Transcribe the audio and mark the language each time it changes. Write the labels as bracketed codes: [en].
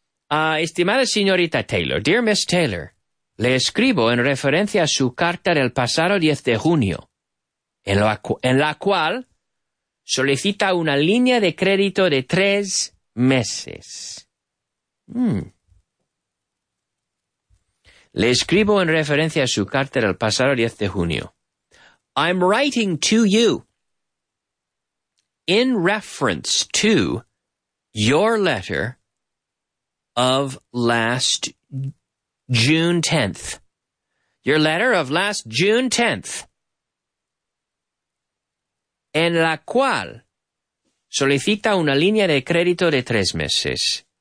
[es] Estimada señorita Taylor, [en] dear Miss Taylor, [es] le escribo en referencia a su carta del pasado 10 de junio, en la cual solicita una línea de crédito de 3 meses. Le escribo en referencia a su carta del pasado 10 de junio. [en] I'm writing to you in reference to your letter of last June 10th. Your letter of last June 10th. [es] En la cual solicita una línea de crédito de 3 meses.